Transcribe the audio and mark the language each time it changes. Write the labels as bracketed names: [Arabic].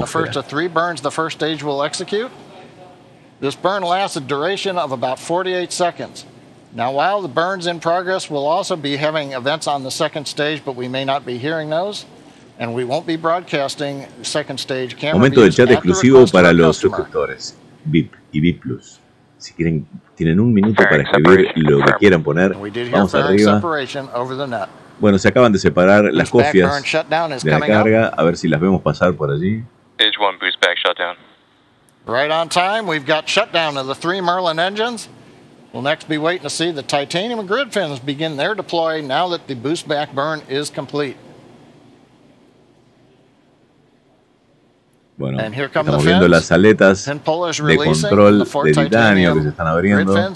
[English] The first of three burns the first stage will execute. This burn lasts a duration of about 48 seconds. Now, while the burns in progress, we'll also be having events on the second stage, but we may not be hearing those, and we won't be broadcasting second stage camera. [Spanish] Momento del chat exclusivo para los suscriptores VIP y VIP Plus. Si quieren, tienen un minuto para escribir lo que quieran poner. Vamos arriba. Bueno, se acaban de separar las cofias de la carga. A ver si las vemos pasar por allí. [English] Stage 1 boost back shutdown. Right on time. We've got shutdown of the three Merlin engines. We'll next be waiting to see the titanium grid fins begin their deploy now that the boost back burn is complete. [Spanish] Bueno, estamos viendo las aletas de control de titanio que se están abriendo.